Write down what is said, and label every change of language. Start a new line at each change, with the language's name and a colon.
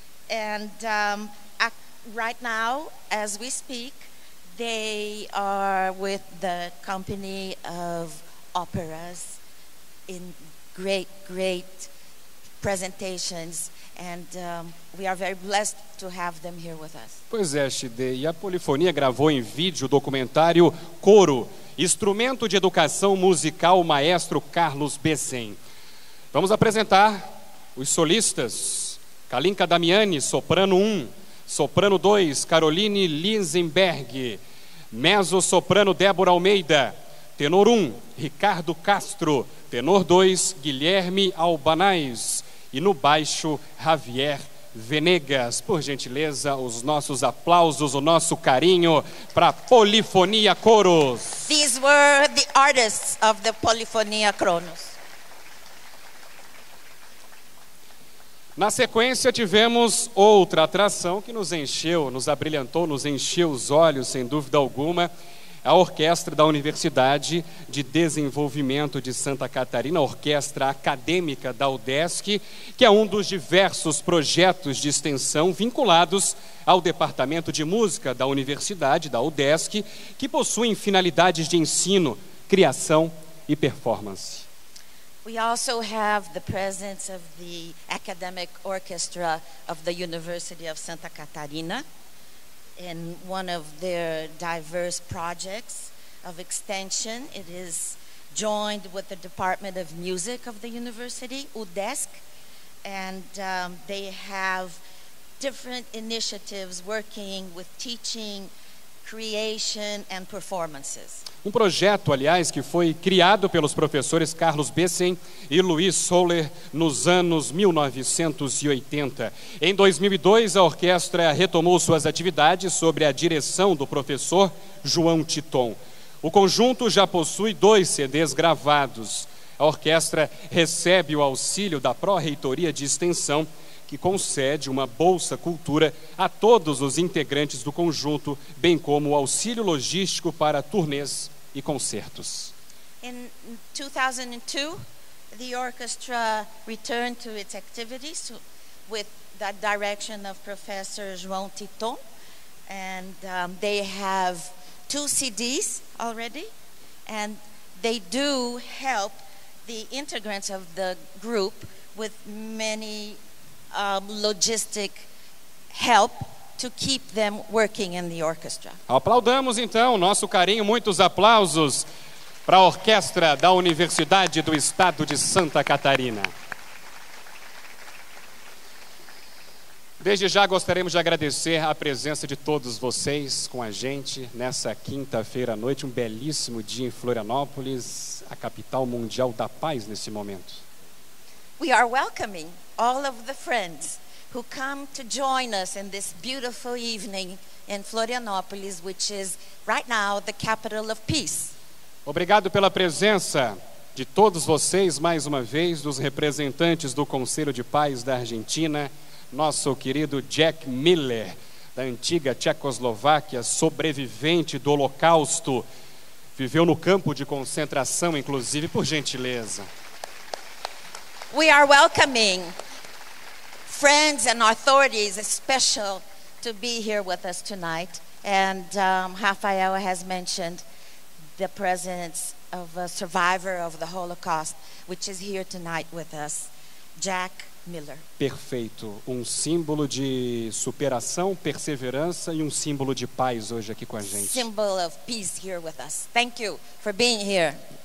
English: And right now, as we speak, they are with the company of operas in great, great presentations. And we are very blessed to have them here with us.
Portuguese: Pois é, Chide, e a Polifonia gravou em vídeo o documentário Coro, Instrumento de Educação Musical, Maestro Carlos Bessem. Vamos apresentar os solistas: Kalinka Damiani, soprano 1, soprano 2, Caroline Linsenberg, mezzo-soprano Débora Almeida, tenor 1, Ricardo Castro, tenor 2, Guilherme Albanais, e no baixo, Javier Venegas. Por gentileza, os nossos aplausos, o nosso carinho para Polifonia Coros.
English: These were the artists of the Polifonia Coros.
Portuguese: Na sequência, tivemos outra atração que nos encheu, nos abrilhantou, nos encheu os olhos, sem dúvida alguma. a orquestra da Universidade de Desenvolvimento de Santa Catarina, a Orquestra Acadêmica da UDESC, que é um dos diversos projetos de extensão vinculados ao Departamento de Música da Universidade, da UDESC, que possuem finalidades de ensino, criação e performance.
English: We also have the presence of the Academic Orchestra of the University of Santa Catarina in one of their diverse projects of extension. It is joined with the Department of Music of the University, UDESC, and they have different initiatives working with teaching, creation and performances.
Portuguese: Um projeto, aliás, que foi criado pelos professores Carlos Bessem e Luiz Soller nos anos 1980. Em 2002, a orquestra retomou suas atividades sob a direção do professor João Titon. O conjunto já possui 2 CDs gravados. A orquestra recebe o auxílio da Pró-Reitoria de Extensão, que concede uma Bolsa Cultura a todos os integrantes do conjunto, bem como o auxílio logístico para turnês e concertos.
English: In 2002, the orchestra returned to its activities with the direction of Professor João Titon, and they have 2 CDs already, and they do help the integrants of the group with many logistic help to keep them working in the orchestra.
Portuguese: Aplaudamos então, nosso carinho, muitos aplausos para a orquestra da Universidade do Estado de Santa Catarina. Desde já gostaríamos de agradecer a presença de todos vocês com a gente nessa quinta-feira à noite, um belíssimo dia em Florianópolis, a capital mundial da paz nesse momento.
English: We are welcoming all of the friends who come to join us in this beautiful evening in Florianópolis, which is right now the capital of peace.
Portuguese: Obrigado pela presença de todos vocês, mais uma vez, dos representantes do Conselho de Paz da Argentina, nosso querido Jack Miller, da antiga Tchecoslováquia, sobrevivente do Holocausto, viveu no campo de concentração, inclusive, por gentileza.
English: We are welcoming friends and authorities, especially to be here with us tonight. And Rafael has mentioned the presence of a survivor of the Holocaust, which is here tonight with us, Jack Miller.
Portuguese: Perfeito. Um símbolo de superação, perseverança e um símbolo de paz hoje aqui com a gente.
English: Symbol of peace here with us. Thank you for being here.